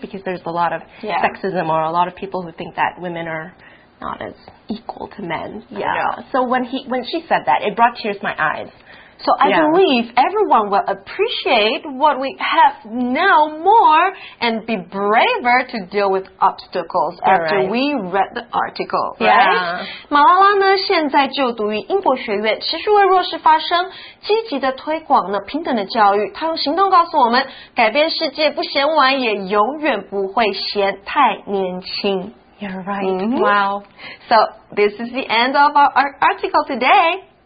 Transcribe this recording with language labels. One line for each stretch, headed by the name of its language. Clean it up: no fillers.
English: Because there's a lot of sexism or a lot of people who think that women are not as equal to men. Yeah. So when she said that, it brought tears to my eyes. So I believe everyone will appreciate what we have now more and be braver to deal with obstacles after we read the article, right?
Chinese: Malala 呢现在就读于英国学院，持续为弱势发声，积极的推广了平等的教育。她用行动告诉我们，改变世界不嫌晚，也永远不会嫌太年轻。
English: You're right. Wow. So this is the end of our article today.